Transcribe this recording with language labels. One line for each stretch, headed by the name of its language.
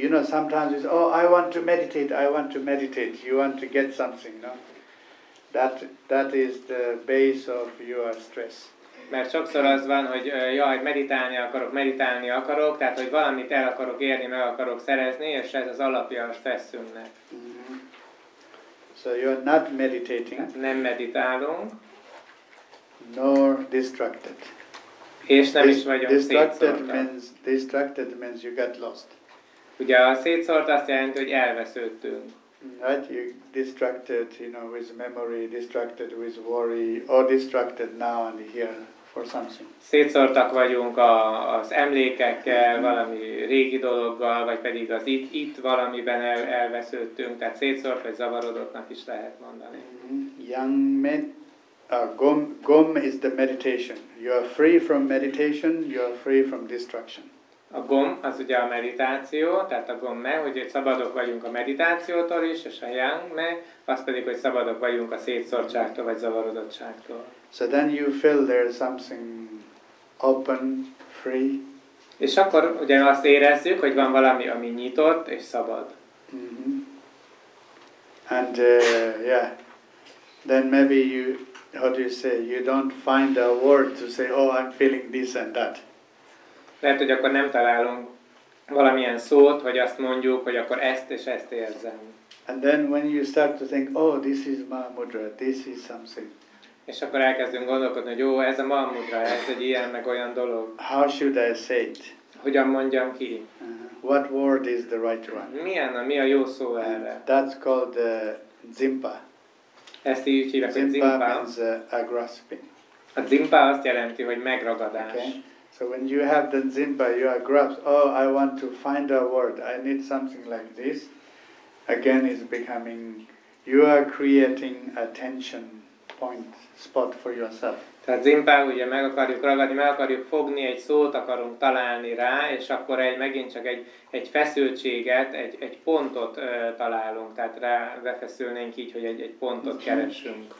English: You know, sometimes it's, oh, I want to meditate, I want to meditate. You want to get something, no? That is the base of your stress.
Hungarian: Mert sokszor az van, hogy jaj, meditálni akarok, tehát hogy valamit el akarok érni, meg akarok szerezni, és ez az alapja a stresszünknek.
English: So you're not meditating.
Hungarian: Nem meditálunk.
English: Nor distracted.
Hungarian: És nem is vagyunk szétszórtak.
English: Distracted means you get lost.
Hungarian: Ugye a szétszórt azt jelenti, hogy elvesződtünk.
English: Right, you distracted, you know, with memory, distracted with worry, or distracted now and here for something.
Hungarian: Szétszórtak vagyunk az emlékekkel, valami régi dologgal, vagy pedig az itt valamiben elvesződtünk, tehát szétszórt vagy zavarodottnak is lehet mondani.
English: Yang me, gom is the meditation. You are free from meditation, you are free from distraction.
Hungarian: A gom az ugye a meditáció, tehát a gom me, hogy szabadok vagyunk a meditációtól is, és a yang me, az pedig, hogy szabadok vagyunk a szétszórtságtól, vagy zavarodottságtól.
English: So then you feel there is something open, free.
Hungarian: És akkor ugye azt érezzük, hogy van valami, ami nyitott és szabad. Mm-hmm.
English: And yeah, then maybe you, how do you say, you don't find a word to say, oh, I'm feeling this and that.
Hungarian: Lehet, hogy akkor nem találunk valamilyen szót, hogy azt mondjuk, hogy akkor ezt és ezt érzem.
English: And then when you start to think, oh, this is maha mudra, this is something.
Hungarian: És akkor elkezdünk gondolkodni, hogy ez a maha mudra, ez egy ilyen meg olyan dolog.
English: How should I say it?
Hungarian: Hogyan mondjam ki?
English: What word is the right one?
Hungarian: Mi a jó szó erre?
English: And that's called dzimpa.
Hungarian: Ezt így hívják, hogy dzimpa.
English: Dzimpa means a grasping.
Hungarian: A dzimpa azt jelenti, hogy megragadás.
English: Okay. So when you have the dzimpa, you are grasped, oh, I want to find a word, I need something like this. Again, it's becoming, you are creating a tension point, spot for yourself.
Hungarian: Tehát dzimpa, ugye meg akarjuk ragadni, meg akarjuk fogni, egy szót akarunk találni rá, és akkor megint csak egy feszültséget, egy pontot találunk. Tehát rá befeszülnénk így, hogy egy pontot keresünk.